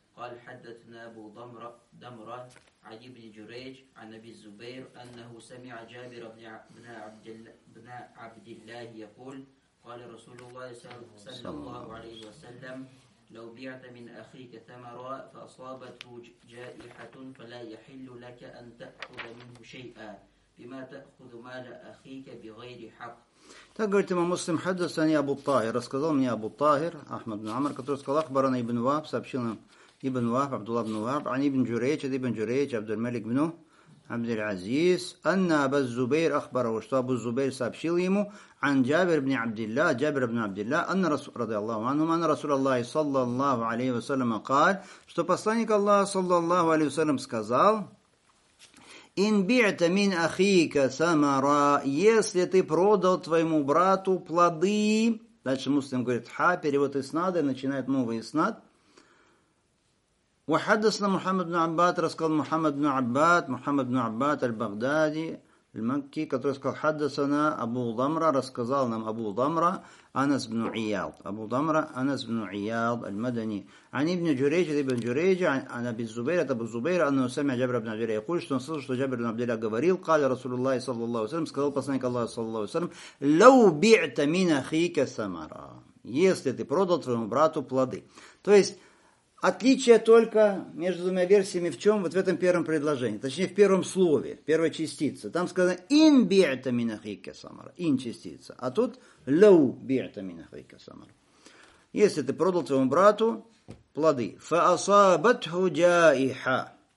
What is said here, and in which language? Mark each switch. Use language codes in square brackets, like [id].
[ar] قال حدثنا أبو دمرة عدي بن جريج عن أبي الزبير أنه سمع جابر بن عبد الله يقول قال رسول الله صلى الله عليه وسلم لو بعت من أخيك ثمرا فأصابته جائحة فلا يحل لك أن تأخذ منه شيئا بما تأخذ مال أخيك بغير حق. [ru] Так говорит имам Муслим, хаддасани Абу Тахир, рассказал мне Абу Тахир, Ахмад бин Амр, который сказал, ахбарана ибн Вахб, сообщил нам ибн Вахб, Абдулла ибн Вахб, ани ибн Джурейч, ад ибн Джурейч, Абдул-Малик ибн Абдул-Азиз, анна Абу Зубейр ахбарау, что Абу Зубейр сообщил ему, ан Джабир ибн Абдилла, Джабир ибн Абдилла, анна Расул, ради Аллаху анхум, анна Расул Аллахи, саллаллаху алейхи ва саллям, кал, что посланник Аллаха, саллаллаху алейхи ва саллям, сказал, [ar] إن بعت من أخيك ثمرا, [ru] если ты продал твоему брату плоды. Дальше муслим говорит ха, перевод иснада, начинает новый иснад. [ar] وحدثنا محمد بن عباد, [ru] рассказал [ar] محمد بن عباد, محمد بن عباد البغدادي المكي, [ru] который сказал [ar] حدثنا أبو ضمرة, [ru] рассказал нам [ar] أبو ضمرة أنس بن عياض, أبو ضمرة أنس بن عياض المدني, عن ابن جريج, ابن جريج, عن أبي الزبير, أبو الزبير, أنه سمع جابر بن عبد الله يقول, [ru] что он слышал, что [ar] جابر بن عبد الله [ru] говорил, [ar] قال رسول الله صلى الله عليه وسلم, [ru] сказал посланник [ar] الله صلى الله عليه وسلم, لو بعت من أخيك ثمرا, [ru] если ты продал твоему брату плоды. То есть отличие только между двумя версиями в чем? Вот в этом первом предложении, точнее в первом слове, первой частице. Там сказано «ин би'та мин ахика самара», «ин» частица. А тут «лоу би'та мин ахика самара». Если ты продал твоему брату плоды. «Фа асабатху джаиха».